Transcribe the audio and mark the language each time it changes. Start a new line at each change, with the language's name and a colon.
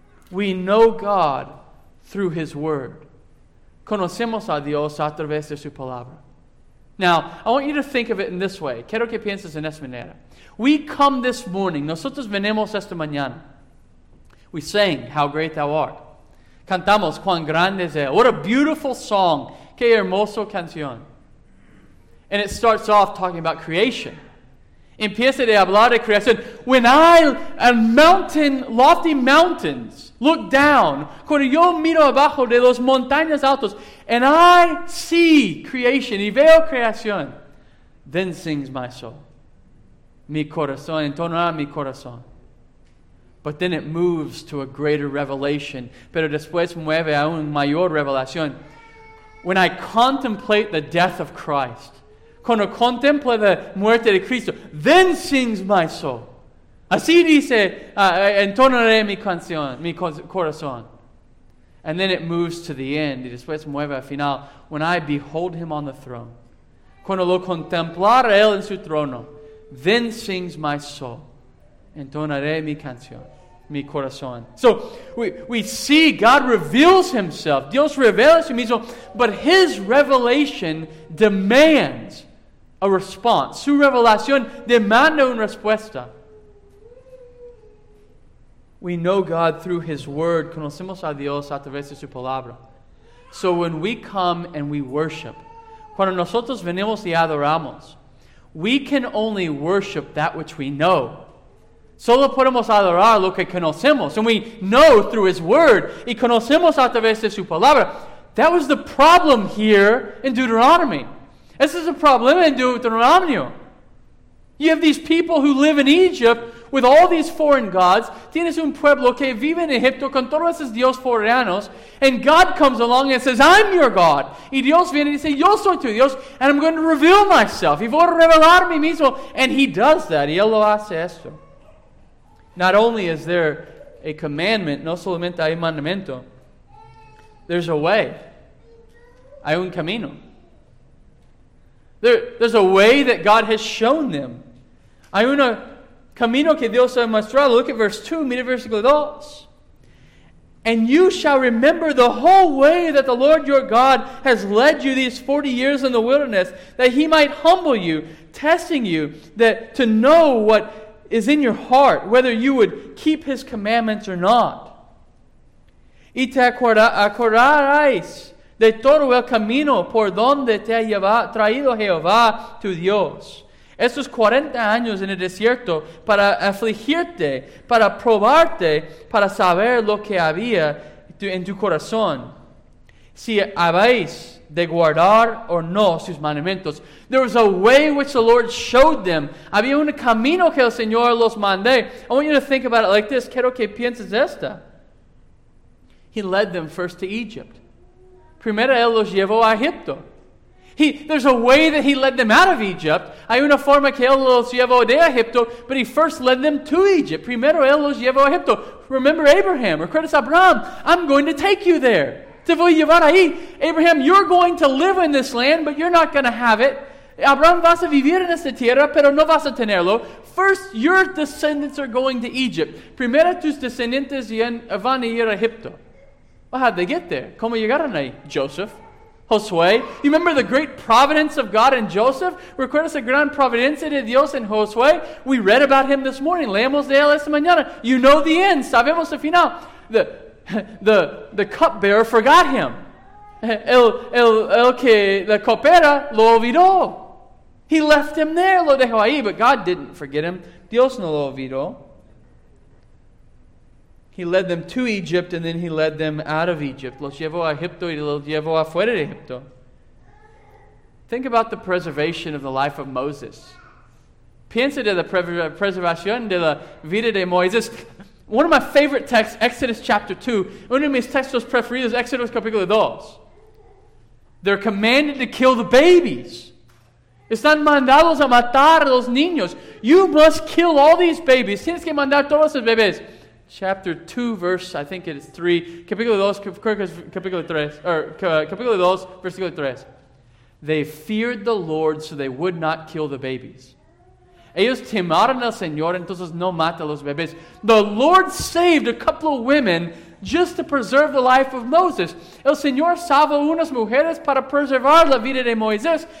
English: We know God through his word.
Spanish: Conocemos a Dios a través de su palabra.
English: Now, I want you to think of it in this way.
Spanish: Quiero que pienses en esta manera.
English: We come this morning.
Spanish: Nosotros venimos esta mañana.
English: We sang, "How Great Thou Art."
Spanish: Cantamos, "Cuán Grande Es Él."
English: What a beautiful song.
Spanish: Qué hermoso canción.
English: And it starts off talking about creation.
Spanish: Empieza de hablar de creación.
English: When I, a mountain, lofty mountains, look down.
Spanish: Cuando yo miro abajo de los montañas altos.
English: And I see creation.
Spanish: Y veo creación.
English: Then sings my soul.
Spanish: Mi corazón, entonará mi corazón.
English: But then it moves to a greater revelation.
Spanish: Pero después mueve a un mayor revelación.
English: When I contemplate the death of Christ,
Spanish: cuando contemplo la muerte de Cristo,
English: then sings my soul.
Spanish: Así dice, entonaré mi canción, mi corazón.
English: And then it moves to the end.
Spanish: Y después mueve al final.
English: When I behold him on the throne,
Spanish: cuando lo contemplar a él en su trono,
English: then sings my soul.
Spanish: Entonaré mi canción. Mi corazón.
English: So we see God reveals himself.
Spanish: Dios revela su mismo.
English: But his revelation demands a response.
Spanish: Su revelación demanda una respuesta.
English: We know God through His Word.
Spanish: Conocemos a Dios a través de su palabra.
English: So when we come and we worship,
Spanish: cuando nosotros venimos y adoramos,
English: we can only worship that which we know.
Spanish: Solo podemos adorar lo que conocemos.
English: And we know through His Word.
Spanish: Y conocemos a través de su palabra.
English: That was the problem here in Deuteronomy. This is a problem in Deuteronomy. You have these people who live in Egypt with all these foreign gods.
Spanish: Tienes un pueblo que vive en Egipto con todos esos dioses foráneos.
English: And God comes along and says, I'm your God.
Spanish: Y Dios viene y dice, yo soy tu Dios.
English: And I'm going to reveal myself.
Spanish: Y voy a revelar a mí mismo.
English: And He does that.
Spanish: Y Él lo hace esto.
English: Not only is there a commandment,
Spanish: no solamente hay mandamiento,
English: there's a way.
Spanish: Hay un camino.
English: There's a way that God has shown them.
Spanish: Hay un camino que Dios ha mostrado.
English: Look at verse 2,
Spanish: mira versículo 2.
English: And you shall remember the whole way that the Lord your God has led you these 40 years in the wilderness, that He might humble you, testing you, that to know what is in your heart, whether you would keep His commandments or not.
Spanish: Y te acordarás de todo el camino por donde te ha traído Jehová tu Dios. Estos 40 años en el desierto para afligirte, para probarte, para saber lo que había en tu corazón. Si habéis de guardar o no sus mandamientos.
English: There was a way which the Lord showed them.
Spanish: Había un camino que el Señor los mandé.
English: I want you to think about it like this.
Spanish: Quiero que pienses esta.
English: He led them first to Egypt.
Spanish: Primero Él los llevó a Egipto.
English: There's a way that He led them out of Egypt.
Spanish: Hay una forma que Él los llevó de Egipto,
English: but He first led them to Egypt.
Spanish: Primero Él los llevó a Egipto.
English: Remember Abraham, or credit Abraham, I'm going to take you there.
Spanish: Te voy a llevar ahí.
English: Abraham, you're going to live in this land, but you're not going to have it.
Spanish: Abraham, vas a vivir en esta tierra, pero no vas a tenerlo.
English: First, your descendants are going to Egypt.
Spanish: Primero tus descendientes van a ir a Egipto.
English: Well, how'd they get there?
Spanish: ¿Cómo llegaron ahí?
English: Joseph. Josué. You remember the great providence of God in Joseph?
Spanish: ¿Recuerdas la gran providencia de Dios en Josué?
English: We read about him this morning.
Spanish: Leemos de él esta mañana.
English: You know the end.
Spanish: Sabemos el final.
English: The cupbearer forgot him.
Spanish: El que la copera lo olvidó.
English: He left him there.
Spanish: Lo dejó ahí.
English: But God didn't forget him.
Spanish: Dios no lo olvidó.
English: He led them to Egypt and then He led them out of Egypt.
Spanish: Los llevó a Egipto y los llevó afuera de Egipto.
English: Think about the preservation of the life of Moses.
Spanish: Piensa de la preservación de la vida de Moisés.
English: One of my favorite texts, Exodus chapter 2.
Spanish: Uno de mis textos preferidos, Exodus capítulo 2.
English: They're commanded to kill the babies.
Spanish: Están mandados a matar a los niños.
English: You must kill all these babies.
Spanish: Tienes que mandar todos los bebés.
English: Chapter 2, verse, I think it is 3.
Spanish: Capítulo 2, capítulo 3.
English: Or,
Spanish: capítulo 2, versículo 3.
English: They feared the Lord, so they would not kill the babies.
Spanish: Ellos temaron al Señor, entonces no mata los bebés.
English: The Lord saved a couple of women just to preserve the life of Moses.
Spanish: El Señor salva unas mujeres para preservar la vida de Moisés.